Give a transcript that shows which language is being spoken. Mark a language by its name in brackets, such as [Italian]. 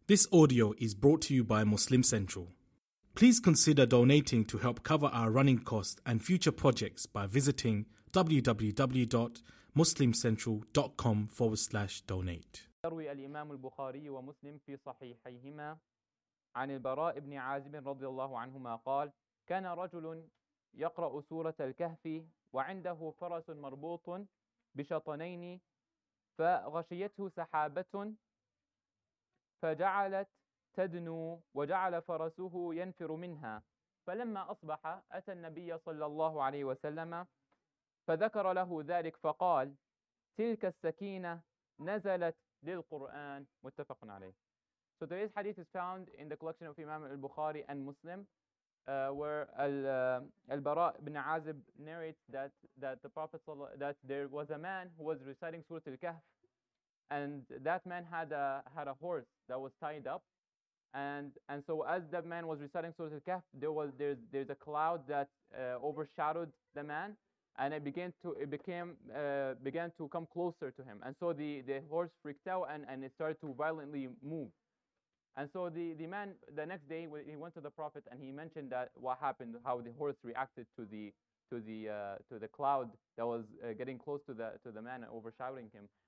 [English] This audio is brought to you by Muslim Central. Please consider donating to help cover our running costs and future projects by visiting www.muslimcentral.com/donate. [Arabic] يروي الإمام البخاري ومسلم في صحيحيهما عن البراء بن عازب رضي الله عنهما قال كان رجل يقرأ سورة الكهف وعنده فرس مربوط بشطنين فغشيته سحابة فجعلت تدنو وجعل فرسه ينفر منها فلما أصبح أتى النبي صلى الله عليه وسلم فذكر له ذلك فقال تلك السكينة نزلت للقرآن متفق عليه. [English] So today's hadith is found in the collection of Imam al-Bukhari and Muslim, where al-Bara' ibn Azib narrates that the Prophet that there was a man who was reciting Surah al-Kahf, and that man had a horse that was tied up, and so as that man was reciting Surah al-Kahf, there's a cloud that overshadowed the man, and it began to come closer to him, and so the horse freaked out and it started to violently move, and so the man the next day he went to the Prophet and he mentioned that what happened, how the horse reacted to the cloud that was getting close to the man and overshadowing him.